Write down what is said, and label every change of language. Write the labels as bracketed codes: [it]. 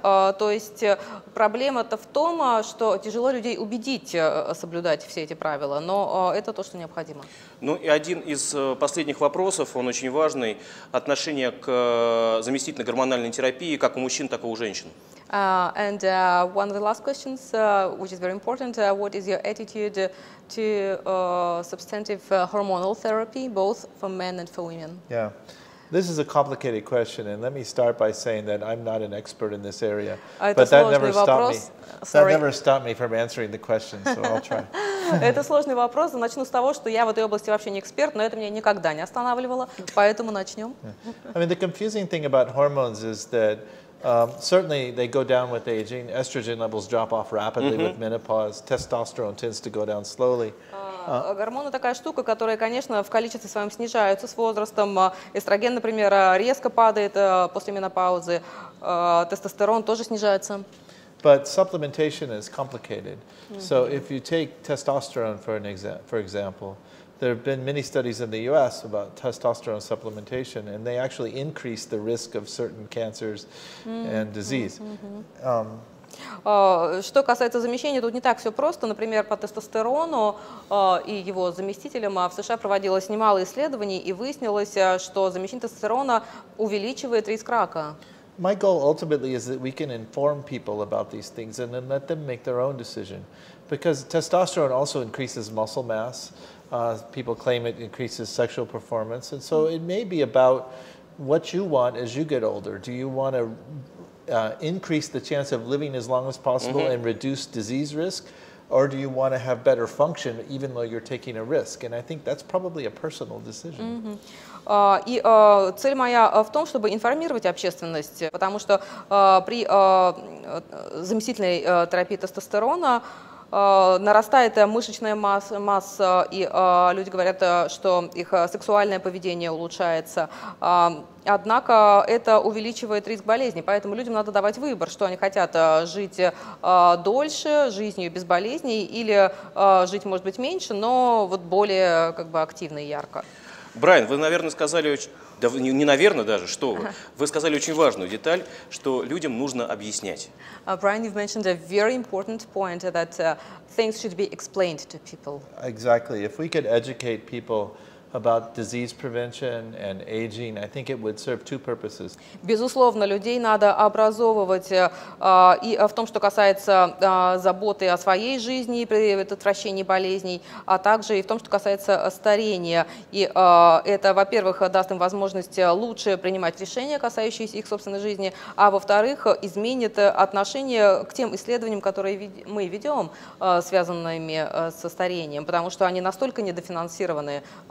[ru] То есть проблема-то в том, что тяжело людей убедить соблюдать все эти правила, но это то, что необходимо. Ну и один из последних вопросов, он очень важный, отношение к заместительной гормональной терапии как у мужчин, так и у женщин. [en] And one of the last questions, which is very important, what is your attitude to substantive hormonal therapy, both for men and for women? Yeah, this is a complicated question, and let me start by saying that I'm not an expert in this area, but that never stopped me. Sorry. That never stopped me from answering the question, so I'll try. [ru] Это сложный вопрос. Начну с того, что я в этой области вообще не эксперт, но это меня никогда не останавливало, поэтому начнем. [en] I mean, the confusing thing about hormones is that certainly, they go down with aging. Estrogen levels drop off rapidly mm-hmm. with menopause. Testosterone tends to go down slowly. [ru] Гормоны такая штука, которая, конечно, в количестве своем снижаются с возрастом. Эстроген, например, резко падает после менопаузы. Тестостерон тоже снижается. [en] But supplementation is complicated. Mm-hmm. So if you take testosterone for example. There have been many studies in the U.S. about testosterone supplementation, and they actually increase the risk of certain cancers and disease. [ru] Что касается замещения, тут не так все просто. Например, по тестостерону и его заместителям в США проводилось немало исследований, и выяснилось, что замещение тестостерона увеличивает риск рака. [en] My goal ultimately is that we can inform people about these things and then let them make their own decision. Because testosterone also increases muscle mass. People claim it increases sexual performance, and so it may be about what you want as you get older. Do you want to increase the chance of living as long as possible mm-hmm. and reduce disease risk, or do you want to have better function even though you're taking a risk? And I think that's probably a personal decision. Mm-hmm. [ru] И цель моя в том, чтобы информировать общественность, потому что при заместительной терапии тестостерона нарастает мышечная масса, и люди говорят, что их сексуальное поведение улучшается. Однако это увеличивает риск болезни, поэтому людям надо давать выбор, что они хотят: жить дольше, жизнью без болезней, или жить, может быть, меньше, но вот более как бы активно и ярко. Брайан, вы, наверное, сказали, да, не наверное даже, что вы, вы сказали очень важную деталь, что людям нужно объяснять. [en] Брайан, you've mentioned a very important point that things should be explained to people. Exactly. If we could educate people about disease prevention and aging, I think it would serve two purposes. [ru] Безусловно, людей надо образовывать и в том, что касается заботы о своей жизни и предотвращении болезней, а также и в том, что касается старения. И это, во-первых, даст им возможность лучше принимать решения, касающиеся их собственной жизни, а во-вторых, изменит отношение к тем исследованиям, которые мы ведем, связанными со старением, потому что они настолько недофинансированы.